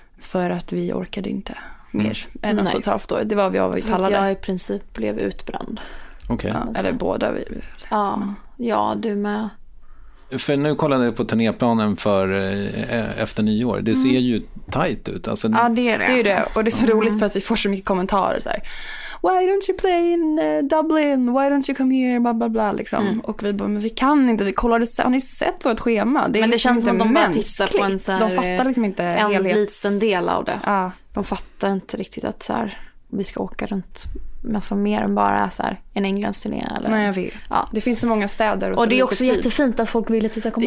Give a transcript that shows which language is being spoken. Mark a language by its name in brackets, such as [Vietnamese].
[Swedish] För att vi orkade inte mer än 1,5 år, det var vi avfallade. Jag i princip blev utbränd. Okej. Okay. Eller båda vi. Ja, du med. För nu kollade jag på turnéplanen för efter nyår. Det ser ju tajt ut. Alltså, ja, det är det. Det är det. Och det är så roligt för att vi får så mycket kommentarer. Så här. [English] why don't you play in Dublin, why don't you come here, blah blah blah liksom. [Swedish] Mm. Och vi bara, men vi kan inte, vi kollade, har ni sett vårt schema? Det är, men det liksom känns som att de bara tissar på en såhär, de fattar liksom inte en helhet, liten del av det. Ah. De fattar inte riktigt att såhär, vi ska åka runt massa mer än bara så här, en Englands turné. Eller... Nej, jag vet. Ja. Det finns så många städer. Och det är också jättefint att folk vill att vi ska komma